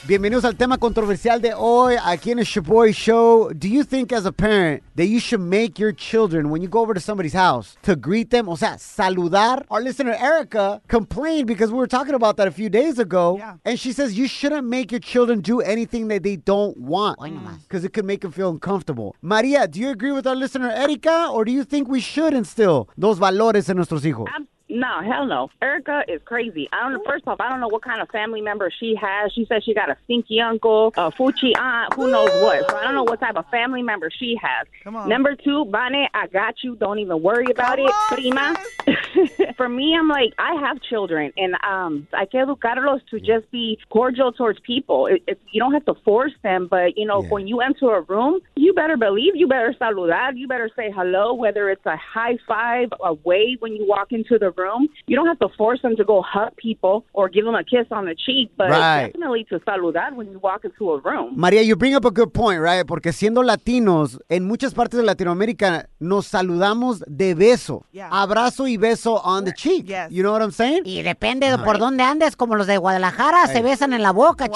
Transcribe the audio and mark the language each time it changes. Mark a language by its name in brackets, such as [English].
[Spanish] Bienvenidos al tema controversial de hoy aquí en el Shaboy Show. [English] Do you think as a parent that you should make your children, when you go over to somebody's house, to greet them, [Spanish] o sea, saludar? [English] Our listener Erica complained because we were talking about that a few days ago. Yeah. And she says you shouldn't make your children do anything that they don't want. Why not? Because it could make them feel uncomfortable. Maria, do you agree with our listener Erica, or do you think we should instill those [Spanish] valores en nuestros hijos? [English] No, hell no. Erica is crazy. I don't know. First off, I don't know what kind of family member she has. She says she got a stinky uncle, a fuchi aunt, who knows what. So I don't know what type of family member she has. Come on. Number two, Bane, I got you. Don't even worry about Come it. On, prima. For me, I'm like, I have children, and [Spanish] hay que educarlos [English] to just be cordial towards people. It, you don't have to force them, but, you know, when you enter a room, you better believe, you better saludar, you better say hello, whether it's a high five, a wave when you walk into the room. You don't have to force them to go hug people or give them a kiss on the cheek, but definitely to saludar when you walk into a room. Maria, you bring up a good point, right? [Spanish] Porque siendo latinos, en muchas partes de Latinoamérica, nos saludamos de beso. [English] Yeah. [Spanish] Abrazo y beso [English] on the cheek. Yes. You know what I'm saying? [Spanish] Y depende de por donde andes, como los de Guadalajara se besan en la boca, wow.